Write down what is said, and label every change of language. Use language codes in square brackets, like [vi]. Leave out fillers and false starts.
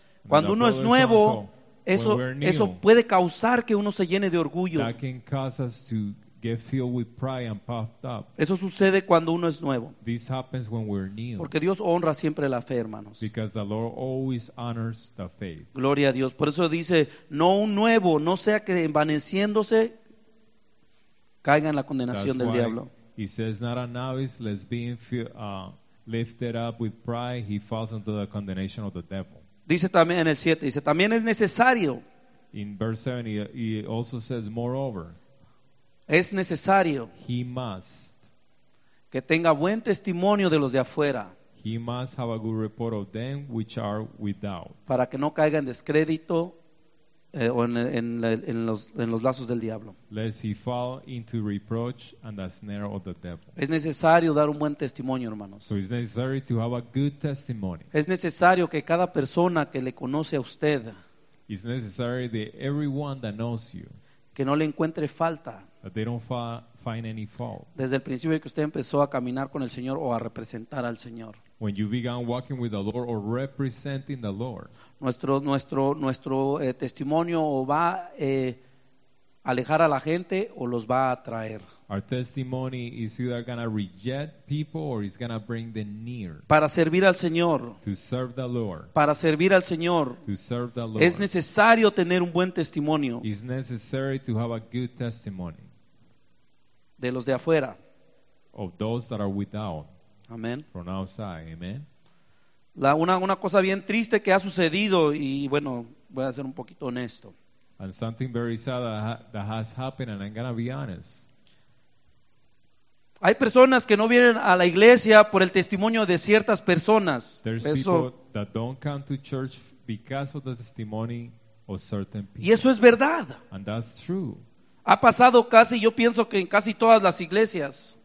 [es] Cuando uno es nuevo, eso puede causar que uno se llene de orgullo. [en] That can cause us to get filled with pride and puffed up. [es] Eso sucede cuando uno es nuevo. [en] This happens when we're new. [es] Porque Dios honra siempre la fe, hermanos. [en] Because the Lord always honors the faith. [es] Gloria a Dios. Por eso dice, no un nuevo, no sea que envaneciéndose caiga en la condenación del diablo. [en] He says, not a novice, lest being lifted up with pride, he falls into the condemnation of the devil. [es] Dice también en el 7, dice, también es necesario. [en] In verse 7, he also says, moreover. [es] Es necesario. [en] He must. [es] Que tenga buen testimonio de los de afuera. [en] He must have a good report of them which are without. [es] Para que no caiga en descrédito o en los lazos del diablo. [en] Lest he fall into reproach and the snare of the devil. [es] Es necesario dar un buen testimonio, hermanos. [en] So it's necessary to have a good testimony. [es] Es necesario que cada persona que le conoce a usted. [en] It's necessary that everyone that knows you. [es] Que no le encuentre falta. [en] That they don't find any fault. [es] Desde el principio de que usted empezó a caminar con el Señor o a representar al Señor. [en] When you began walking with the Lord or representing the Lord. [es] Nuestro testimonio o va a alejar a la gente o los va a atraer. [en] Our testimony is either going to reject people or it's going to bring them near. [es] Para servir al Señor. [en] To serve the Lord. [es] Para servir al Señor. [en] To serve the Lord. [es] Es necesario tener un buen testimonio. [en] It's necessary to have a good testimony. [es] De los de afuera. [en] Of those that are without. Amen. From outside. Amen. [es] Una cosa bien triste que ha sucedido y bueno, voy a ser un poquito honesto. [en] And something very sad that has happened and I'm going to be honest. [es] Hay personas que no vienen a la iglesia por el testimonio de ciertas personas. [en] There's [es] eso, [en] people that don't come to church because of the testimony of certain people. [es] Y eso es verdad. [en] And that's true. [es] Ha pasado casi, yo pienso que en casi todas las iglesias.